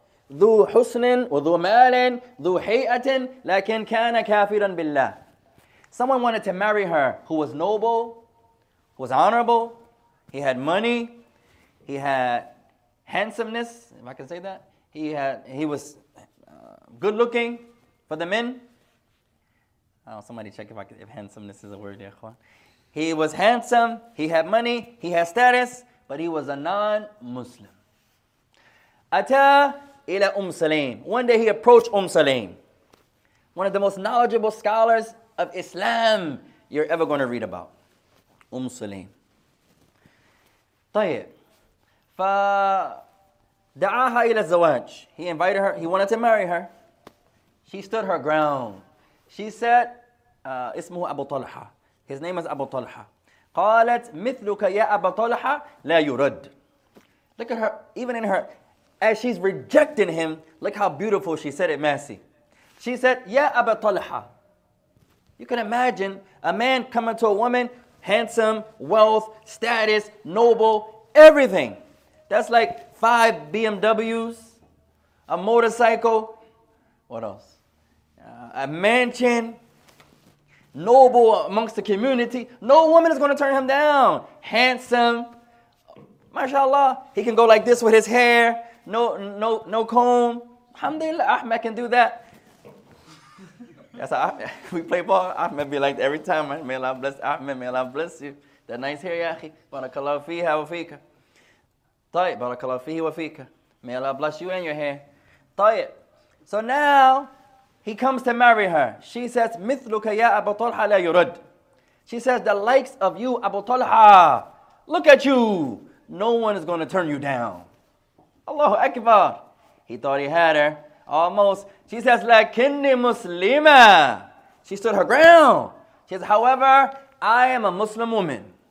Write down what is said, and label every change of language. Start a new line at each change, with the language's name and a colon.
Arabic: ذو حسن وذو مال ذو هيئة لكن كان كافرا بالله.
English: Someone wanted to marry her who was noble, who was honorable, he had money, he had handsomeness, if I can say that. He was good looking for the men. Oh, somebody check if handsomeness is a word, ya ikhwan. He was handsome, he had money, he had status, but he was a non-Muslim.
Arabic: Ata ila Salim.
English: One day he approached Salim, one of the most knowledgeable scholars of Islam you're ever going to read about.
Arabic: Salim. طيب. فدعاها إلى الزواج.
English: He invited her. He wanted to marry her. She stood her ground. She said,
Arabic: اسمه أبو طلحة.
English: His name is أبو طلحة.
Arabic: قالت مثلك يا أبو طلحة لا يرد.
English: Look at her. Even in her, as she's rejecting him, look how beautiful she said it, Masi. She said, Ya Aba Talha. You can imagine a man coming to a woman, handsome, wealth, status, noble, everything. That's like 5 BMWs, a motorcycle, what else? A mansion, noble amongst the community. No woman is going to turn him down. Handsome, mashallah, he can go like this with his hair. No comb. Alhamdulillah, Ahmed can do that. That's how we play ball. Ahmed be like that every time. May Allah bless Ahmed. May Allah bless you. That nice hair, yaakhi.
Arabic: Barakallahu fiha wa fika.
English: Tayyib.
Arabic: Barakallahu fiha wa fika.
English: May Allah bless you and your hair. Tayyib. So now, he comes to marry her.
Arabic: She says, مِثْلُكَ يَا أَبُو طَلْحَ لَا يُرُدْ.
English: She says, the likes of you, Abu Talha. Look at you. No one is going to turn you down. Allahu Akbar. He thought he had her. Almost. She says,
Arabic: لَكِنِّي مُسْلِمَةٌ.
English: She stood her ground. She says, however, I am a Muslim woman.